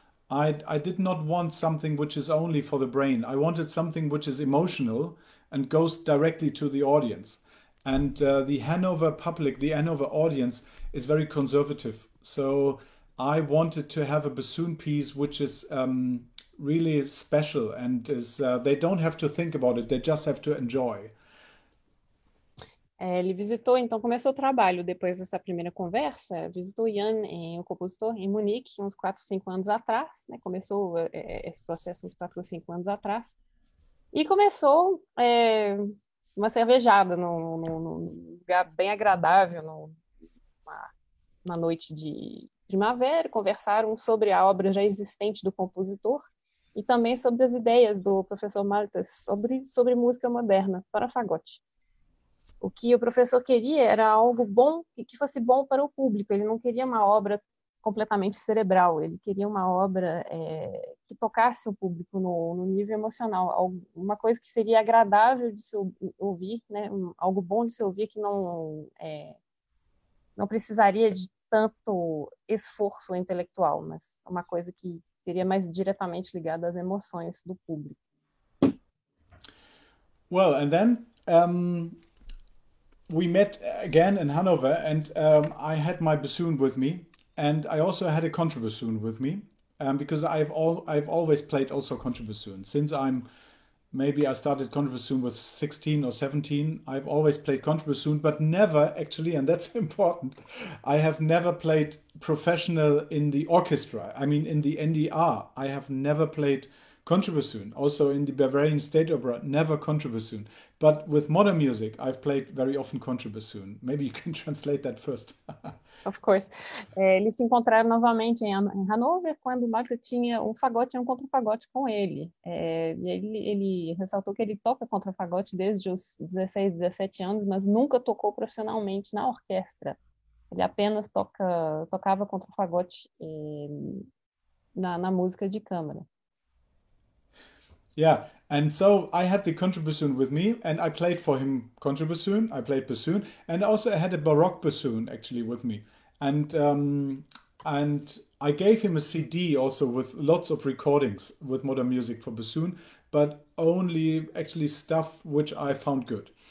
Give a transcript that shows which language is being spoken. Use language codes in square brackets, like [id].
[en] I did not want something which is only for the brain. I wanted something which is emotional and goes directly to the audience. And the Hanover public, the Hanover audience is very conservative. So I wanted to have a bassoon piece which is really special, and they don't have to think about it, they just have to enjoy. [pt] Ele visitou, então começou o trabalho depois dessa primeira conversa, visitou Jan, o compositor, em Munique, uns 4, 5 anos atrás, né? Começou esse processo uns 4 ou 5 anos atrás, e começou uma cervejada num lugar bem agradável, numa noite de primavera, conversaram sobre a obra já existente do compositor e também sobre as ideias do professor Malte sobre música moderna para fagote. O que o professor queria era algo bom e que fosse bom para o público. Ele não queria uma obra completamente cerebral, ele queria uma obra que tocasse o público no nível emocional, uma coisa que seria agradável de se ouvir, né? Algo bom de se ouvir, que não precisaria de tanto esforço intelectual, mas uma coisa que seria mais diretamente ligada às emoções do público. [en] Well, and then we met again in Hanover, and I had my bassoon with me, and I also had a contrabassoon with me, because I've always played also contrabassoon. Since I started contrabassoon with 16 or 17, I've always played contrabassoon, but never actually, and that's important, I have never played professional in the orchestra. I mean, in the NDR, I have never played contrabassoon. Also in the Bavarian State Opera, never contrabassoon. But with modern music, I've played very often contrabassoon. Maybe you can translate that first. Of course. [pt] Eles se encontraram novamente em Hanover, quando o Marco tinha um fagote e um contrafagote com ele. Ele ressaltou que ele toca contrafagote desde os 16, 17 anos, mas nunca tocou profissionalmente na orquestra. Ele apenas tocava contrafagote na música de câmara. [en] Yeah, and so I had the contrabassoon with me, and I played for him contrabassoon, I played bassoon, and also I had a baroque bassoon actually with me. And I gave him a CD also with lots of recordings with modern music for bassoon, but only actually stuff which I found good.